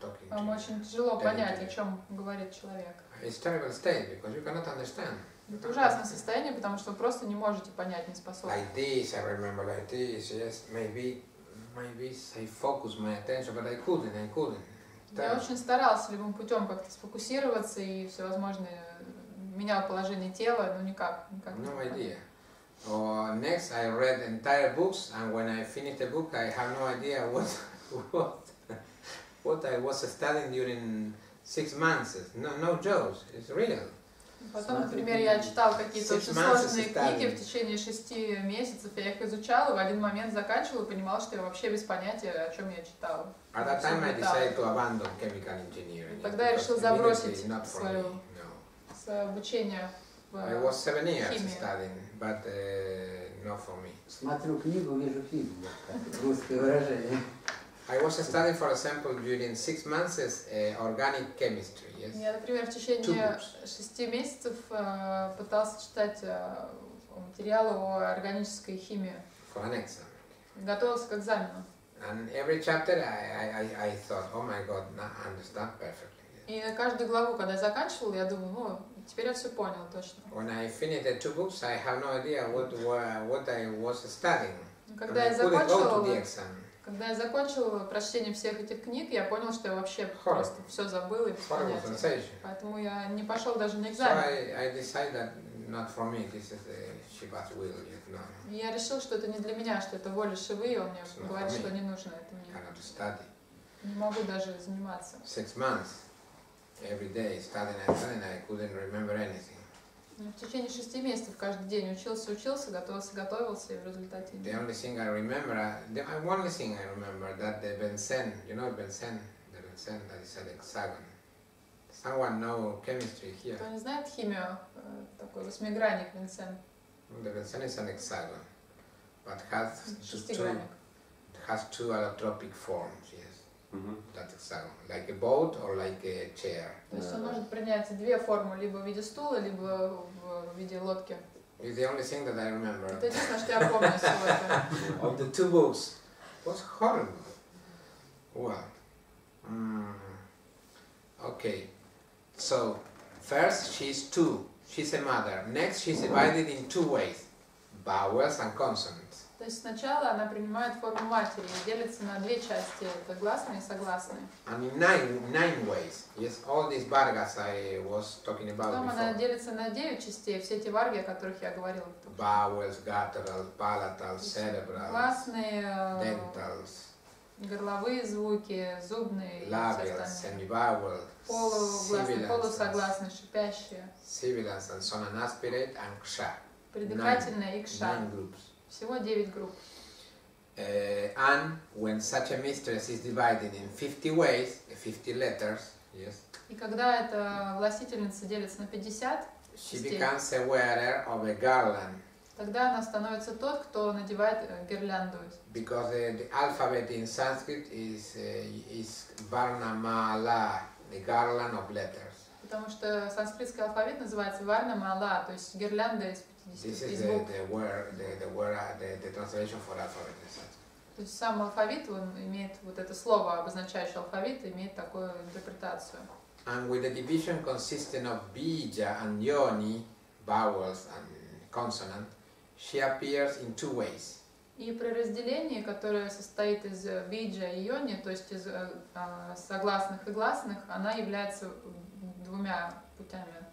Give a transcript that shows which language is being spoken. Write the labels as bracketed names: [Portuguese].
[Russian] Вам очень тяжело понять, о чем говорит человек. [English] It's terrible state because you cannot understand. [Russian] Это ужасное состояние, потому что вы просто не можете понять, не способны. [English] Like this, I remember like this. Yes, maybe say focus my attention, but I couldn't. [Russian] Я очень старался любым путем как-то сфокусироваться и всевозможные менял положение тела, но никак. [English] No idea. Or next, I read entire books, and when I finished the book, I have no idea what what I was studying during 6 months. No, no jokes, it's real. [Russian] Потом, например, я читал какие-то очень сложные книги в течение 6 месяцев, я их изучал, и в один момент заканчивал и понимал, что я вообще без понятия, о чем я читал. [English] At that time I decided to abandon chemical engineering. [Russian] Тогда я решил забросить свое обучение в химии. [English] I was 7 years studying, but not for me. [Russian] Смотрю книгу, вижу фильм. Русское выражение. [English] I was studying, for example, during 6 months, organic chemistry. Yes. [Russian] Я, например, в течение 6 месяцев пытался читать материал о органической химии. [English] For an exam. [Russian] Готовился к экзамену. [English] And every chapter, I thought, oh my God, I understand perfectly. [Russian] И на каждую главу, когда я заканчивал, я думаю, ну, теперь я все понял точно. [English] When I finished the 2 books, I have no idea what I was studying. [Russian] Когда я закончил. Когда я закончил прочтение всех этих книг, я понял, что я вообще просто все забыл и понятия. Поэтому я не пошел даже на экзамен. [English] So I decided that not for me, this is the Shiva's will, you know. [Russian] Я решил, что это не для меня, что это воля Шивы, и он мне говорит, что не нужно это мне. [English] Cannot study. [Russian] Не могу даже заниматься. [English] 6 months, every day studying and studying, I couldn't remember anything. [Russian] В течение 6 месяцев каждый день учился, готовился, и в результате. [English] The only thing I remember, the only thing I remember that the Benzen, you know Benzen, the Benzen that is a hexagon. Someone know chemistry here? [Russian] Кто не знает химию, такой восьмигранник Бенсен. [English] The Benzen is an hexagon, but has two allotropic forms, yes. That hexagon, like a boat or like a chair. [Russian] То есть он может принять 2 формы, либо в виде стула, либо в виде лодки. [English] It's the only thing that I remember. [Russian] Это единственное, что я помню из всего этого. [English] Of the 2 books, was horrible. Well, okay. So first she's 2. She's a mother. Next she's divided in 2 ways: vowels and consonants. [Russian] То есть сначала она принимает форму матери и делится на 2 части, это гласные и согласные. [English] And in nine ways, yes, all these vargas I was talking about before. [Russian] Потом она делится на 9 частей, все эти варги, о которых я говорил. [English] Vowels, guttural, palatal, cerebral. [Russian] Гласные, [English] dentals, [Russian] горловые звуки, зубные. [English] Labials, semivowel. [Russian] Полугласные, полусогласные, шипящие. [English] Sibilants and sonant aspirate and ksha. [Russian] Предыкательные и ксха. [English] 9 groups. [Russian] Всего 9 групп. [English] And when such a mistress is divided in 50 ways, 50 letters, yes. [Russian] И когда эта властительница делится на 50, [English] she becomes a wearer of a garland. [Russian] Тогда она становится тот, кто надевает гирлянду. [English] Because the alphabet in Sanskrit is Varnamala, the garland of letters. [Russian] Потому что санскритский алфавит называется Варнамала, то есть гирлянда из 50 букв. [English] This is the translation for alphabet. [Russian] То есть сам алфавит, он имеет вот это слово, обозначающее алфавит, имеет такую интерпретацию. [English] And with a division consisting of bija and yoni, vowels and consonant, she appears in 2 ways. [Russian] И при разделении, которое состоит из бидже и йони, то есть из согласных и гласных, она является 2 путями.